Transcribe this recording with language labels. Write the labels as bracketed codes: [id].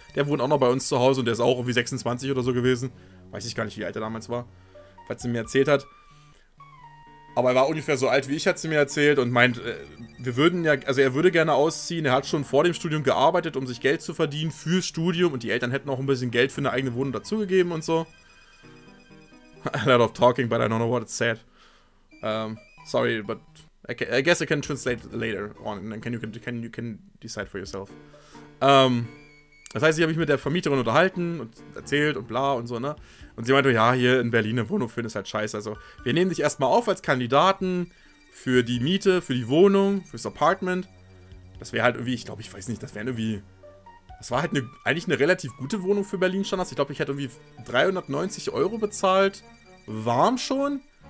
[de] Der wohnt auch noch bei uns zu Hause und der ist auch irgendwie 26 oder so gewesen. Weiß ich gar nicht, wie alt er damals war, falls sie mir erzählt hat. Aber er war ungefähr so alt, wie ich, hat sie mir erzählt und meint, wir würden ja, also er würde gerne ausziehen, er hat schon vor dem Studium gearbeitet, um sich Geld zu verdienen fürs Studium und die Eltern hätten auch ein bisschen Geld für eine eigene Wohnung dazugegeben und so. [en] A lot of talking, but I don't know what it said. Sorry, but I guess I can translate later on and then you can decide for yourself. [de] Das heißt, ich habe mich mit der Vermieterin unterhalten und erzählt und bla und so, ne? Und sie meinte, ja, hier in Berlin eine Wohnung finden ist halt scheiße. Also, wir nehmen dich erstmal auf als Kandidaten für die Miete, für die Wohnung, fürs Apartment. Das wäre halt irgendwie, ich glaube, ich weiß nicht, das wäre irgendwie... Das war halt eigentlich eine relativ gute Wohnung für Berlin-Standards. Ich glaube, ich hätte irgendwie 390 Euro bezahlt. Warm schon.